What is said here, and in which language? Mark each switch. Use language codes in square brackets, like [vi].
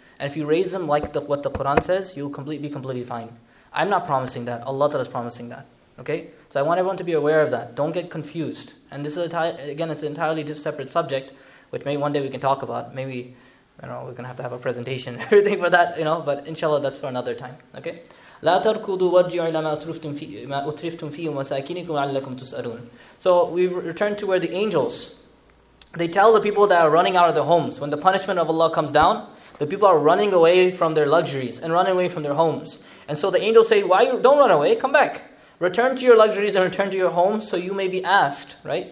[en] And if you raise them like what the Quran says, you'll be completely fine. I'm not promising that. Allah Ta'ala is promising that. Okay? So I want everyone to be aware of that. Don't get confused. And this is, again, it's an entirely separate subject, which maybe one day we can talk about. Maybe, you know, we're going to have a presentation and everything for that, you know. But inshallah, that's for another time. Okay? [ar] لا تركضوا وارجعوا إلى ما أترفتم فيه وساكنكم لعلكم تسألون. [en] So we return to where the angels, they tell the people that are running out of their homes. When the punishment of Allah comes down, the people are running away from their luxuries and running away from their homes. And so the angels say, why don't run away, come back. Return to your luxuries and return to your homes so you may be asked, right?